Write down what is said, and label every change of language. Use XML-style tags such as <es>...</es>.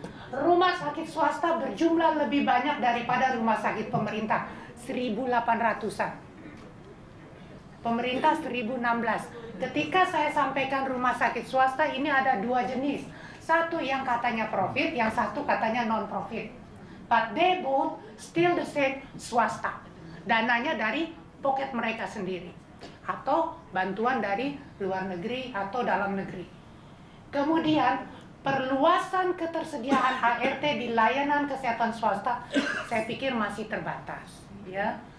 <id>Rumah sakit swasta berjumlah lebih banyak daripada rumah sakit pemerintah, 1.800-an. Pemerintah 1.016. Ketika saya sampaikan rumah sakit swasta, ini ada dua jenis. Satu yang katanya profit, yang satu katanya non-profit.</id> <en>But they both still the same swasta.</en> <id>Dananya dari pocket mereka sendiri. Atau bantuan dari luar negeri atau dalam negeri. Kemudian, perluasan ketersediaan ART di layanan kesehatan swasta, saya pikir masih terbatas. Ya.</id>